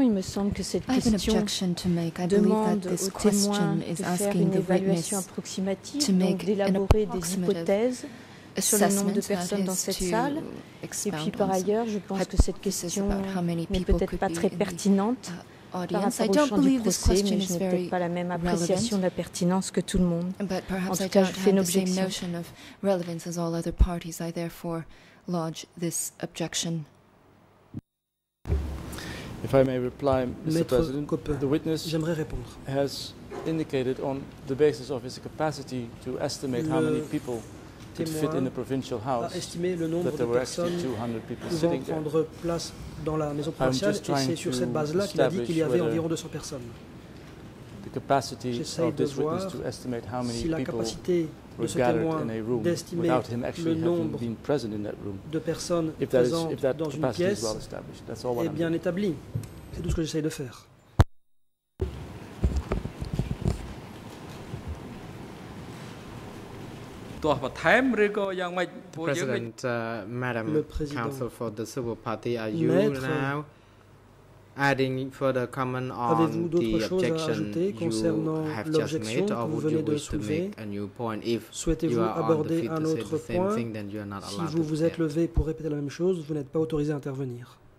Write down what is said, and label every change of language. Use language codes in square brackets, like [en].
[fr] Il me semble que cette question demande aux témoins de faire une évaluation approximative, donc d'élaborer des hypothèses sur le nombre de personnes dans cette salle. Et puis par ailleurs, je pense que cette question n'est peut-être pas très pertinente. [en] Audience. I don't believe this question is very relevant, but perhaps I don't have the same notion of relevance as all other parties. I therefore lodge this objection. If I may reply, Mr. President, the witness has indicated on the basis of his capacity to estimate how many people could fit in the provincial house, that there were actually 200 people sitting there. [fr] Dans la maison provinciale, et c'est sur cette base-là qu'il a dit qu'il y avait environ 200 personnes. J'essaie de voir si la capacité de ce témoin d'estimer le nombre de personnes présentes dans une pièce est bien établie. C'est tout ce que j'essaie de faire. [en] President, Madam Counsel for the Civil Party, are you now adding further comment on the objection you have just made, or would you wish to make a new point? If you are on the feet to say the same thing, then you are not allowed to. [fr] Si vous vous êtes levé pour répéter la même chose, vous n'êtes pas autorisé à intervenir.